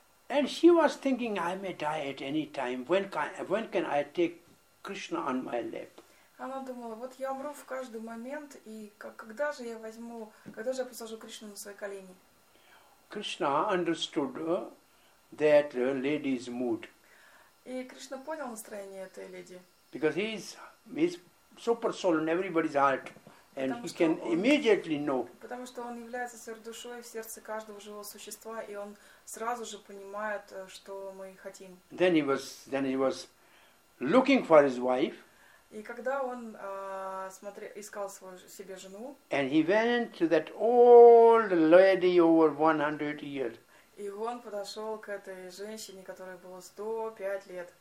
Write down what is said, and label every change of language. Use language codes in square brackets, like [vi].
[en] And she was thinking, I may die at any time. When can I take Krishna on my lap? [ru] Она думала, вот я умру в каждый момент, и когда же я посажу Кришну на свои колени? [en] Krishna understood that lady's mood. [ru] И Кришна понял настроение этой леди. [en] Because he's super soul in everybody's heart, And he can immediately know. [ru] Потому что он является сердцем и в сердце каждого живого существа, и он сразу же понимает, что мы хотим. [en] Then he was looking for his wife. [ru] И когда он искал свою себе жену. [en] And he went to that old lady over 100 years. [ru] И он подошел к этой женщине, которой было 105 лет.